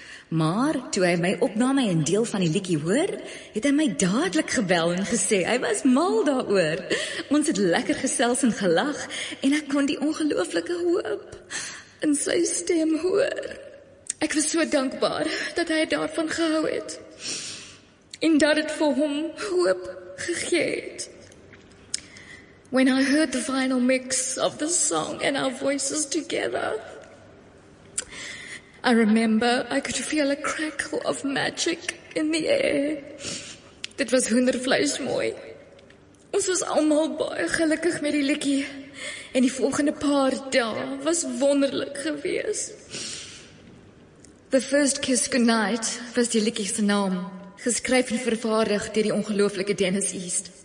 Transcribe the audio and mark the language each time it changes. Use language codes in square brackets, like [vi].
[af] Maar toe hy my opname en deel van die liedjie hoor, het hy my dadelik gebel en gesê, hy was mal daaroor. Ons het lekker gesels en gelag en ek kon die ongelooflike hoop in sy stem hoor. Ek was so dankbaar dat hy daarvan gehou het en dat het vir hom hoop gegee het. [en] When I heard the final mix of the song and our voices together, I remember I could feel a crackle of magic in the air. [af] Dit was hoendervleis mooi. Ons was almal baie gelukkig met die liedjie. En die volgende paar dae was wonderlik gewees. The First Kiss Goodnight was die liedjie se naam, geskryf en vervaardig deur die ongelooflike Dennis East.